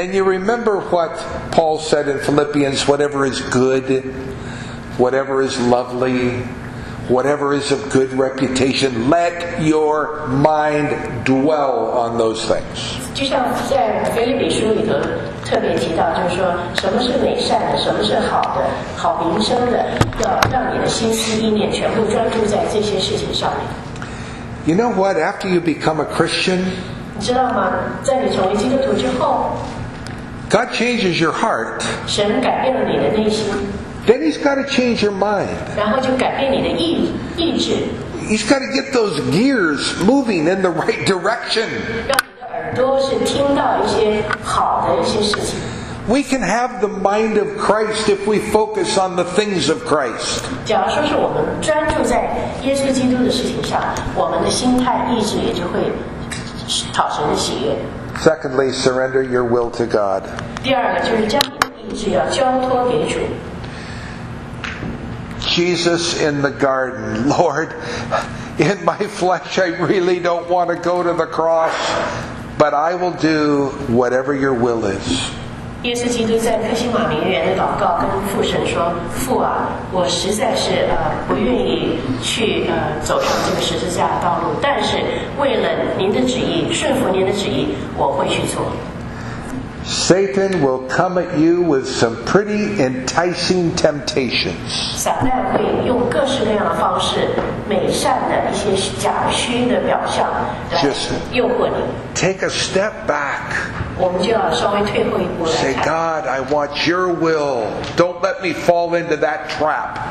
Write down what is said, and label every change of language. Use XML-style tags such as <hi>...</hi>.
<en>And you remember what Paul said in Philippians, whatever is good, whatever is lovely. Whatever is of good reputation, let your mind dwell on those things.</en> <zh>就像在腓立比书里头特别提到，就是说什么是美善的，什么是好的，好名声的，要让你的心思意念全部专注在这些事情上面。</zh> <en>You know what? After you become a Christian,</en> <zh>你知道吗？在你成为基督徒之后</zh> <en>，God changes your heart.</en> <zh>神改变了你的内心。</zh> <en>Then he's got to change your mind.</en> <zh>然后就改变你的意志。</zh> <en>He's got to get those gears moving in the right direction.</en> <zh>让你的耳朵是听到一些好的一些事情。</zh> <en>We can have the mind of Christ if we focus on the things of Christ.</en> <zh>假如说是我们专注在耶稣基督的事情上，我们的心态意志也就会讨神的喜悦。</zh> <en>Secondly, surrender your will to God.</en> <zh>第二个就是将你的意志要交托给主。</zh> <en>Jesus in the garden, Lord, in my flesh, I really don't want to go to the cross, but I will do whatever your will is.</en> <zh>耶稣基督在克西马尼园的祷告跟父神说：“父啊，我实在是不愿意去走上这个十字架的道路，但是为了您的旨意，顺服您的旨意，我会去做。”</zh> <en>Satan will come at you with some pretty enticing temptations.</en> <zh>撒旦会用各式各样的方式，美善的一些假虚的表象来诱惑你。</zh> <en>Take a step back.</en> <zh>我们就要稍微退后一步来。</zh> <en>Say, God, I want your will. Don't let me fall into that trap.</en>